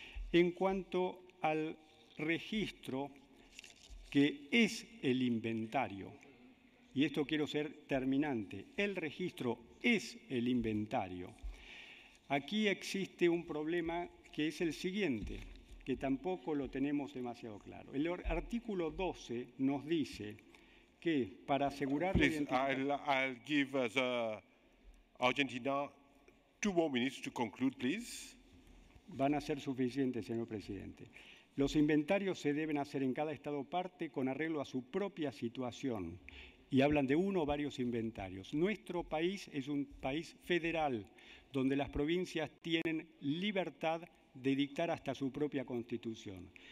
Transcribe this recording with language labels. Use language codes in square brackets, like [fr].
[es] En cuanto al registro, que es el inventario, y esto quiero ser terminante, el registro es el inventario. Aquí existe un problema que es el siguiente, que tampoco lo tenemos demasiado claro. El artículo 12 nos dice que para asegurar la identidad... [en] I'll give the Argentina two more minutes to conclude, please. [es] Van a ser suficientes, señor presidente. Los inventarios se deben hacer en cada estado parte con arreglo a su propia situación. Y hablan de uno o varios inventarios. Nuestro país es un país federal, donde las provincias tienen libertad de dictar hasta su propia constitución.